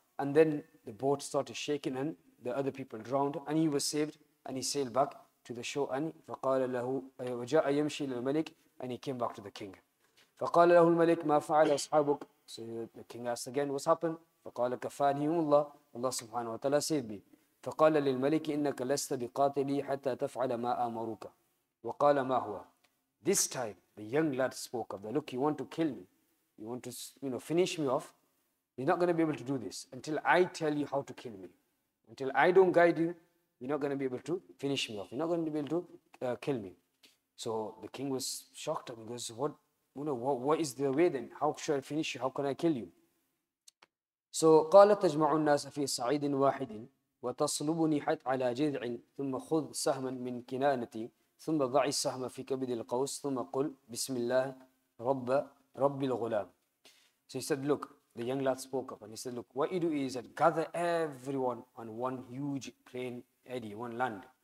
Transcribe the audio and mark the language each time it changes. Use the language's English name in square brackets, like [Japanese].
[English] And then the boat started shaking and the other people drowned. And he was saved and he sailed back to the shore. And [Arabic] فَقَالَ لَهُ وَجَاءَ يَمْشِي لِلْمَلِكِ [English] And he came back to the king. [Arabic] فَقَالَ لَهُ الْمَلِكِ مَا فَعَلَ أَصْحَابُكَ [English] So the king asked again, what's happened? [Arabic] فَقَالَ كَفَانِهِمُ اللَّهِ [English] Allah subhanahu wa ta'ala saved me. [Arabic] فَقَالَ لِلْمَلِكِ إِنَّكَ لَسْتَ بِقَاتِلِي حَتَّى تَفْعَلَ مَا أَمَرُكَ وَقَالَ مَا هُوَ [English] This time, the young lad spoke of that. Look, you want to kill me. You want to, you know, finish me off. You're not going to be able to do this until I tell you how to kill me. Until I don't guide you, you're not going to be able to finish me off. You're not going to be able to kill me. So the king was shocked and goes, what is the way then? How should I finish you? How can I kill you? So [Arabic] قال تجمع الناس في صعيد واحد وتصلبني حتى على جذع ثم خذ سهما من كنانتي ثم ضع السهم في كبد القوس ثم قل بسم الله رب الغلام. [English] So he said, look, the young lad spoke up and he said, look, what you do is that gather everyone on one huge plain eddy, one land.